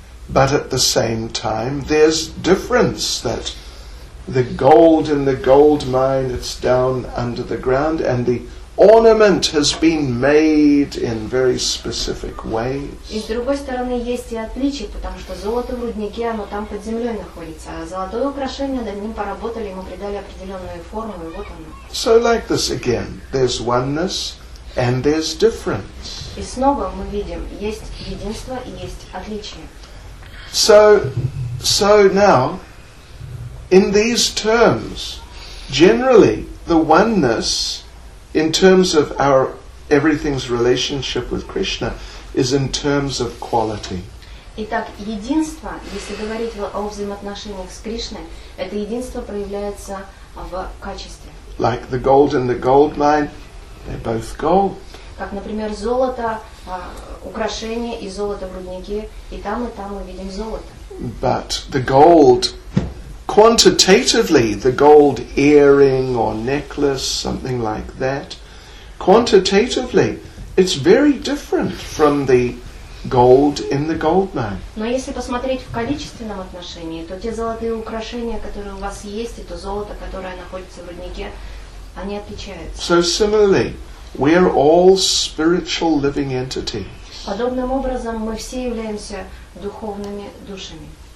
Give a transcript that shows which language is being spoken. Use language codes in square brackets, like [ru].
[en] But at the same time, there's difference that. The gold in the gold mine, it's down under the ground, and the ornament has been made in very specific ways. [ru] И с другой стороны есть и отличие, потому что золото в руднике, оно там под землей находится, а золотое украшение над ним поработали, ему придали определенную форму, и вот оно. [en] So like this again, there's oneness and there's difference. [ru] И снова мы видим, есть единство и есть отличие. [en] So now. In these terms, generally, the oneness, in terms of our everything's relationship with Krishna, is in terms of quality. [ru] Итак, единство, если говорить о взаимоотношениях с Кришной, это единство проявляется в качестве. [en] Like the gold in the gold mine, they're both gold. [ru] Как, например, золото, украшение и золото в руднике, и там мы видим золото. [en] But the gold. Quantitatively, the gold earring or necklace, something like that, quantitatively, it's very different from the gold in the gold mine. [ru] Но если посмотреть в количественном отношении, то те золотые украшения, которые у вас есть, и то золото, которое находится в руднике, они отличаются. [en] So similarly, we are all spiritual living entities. [ru] Подобным образом мы все являемся духовными душами.